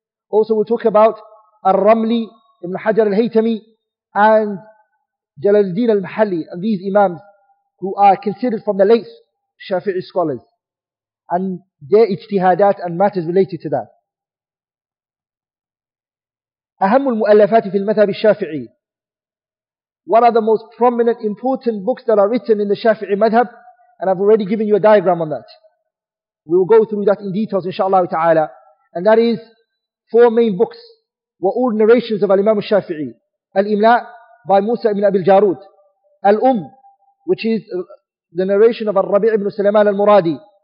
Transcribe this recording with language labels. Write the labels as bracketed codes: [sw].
[en] Also, we'll talk about Al-Ramli, Ibn Hajar al-Haytami, and Jalaluddin al-Mahalli, and these Imams who are considered from the late Shafi'i scholars and their ijtihadat and matters related to that. [ar] أهم المؤلفات في المذهب الشافعي. [en] What are the most prominent, important books that are written in the Shafi'i madhab? And I've already given you a diagram on that. We will go through that in details, inshallah ta'ala. And that is four main books, were all narrations of Al-Imam al-Shafi'i. Al-Imla by Musa ibn Abi al-Jarud. Al-Umm, which is the narration of Al-Rabi' ibn Sulaiman al-Muradi.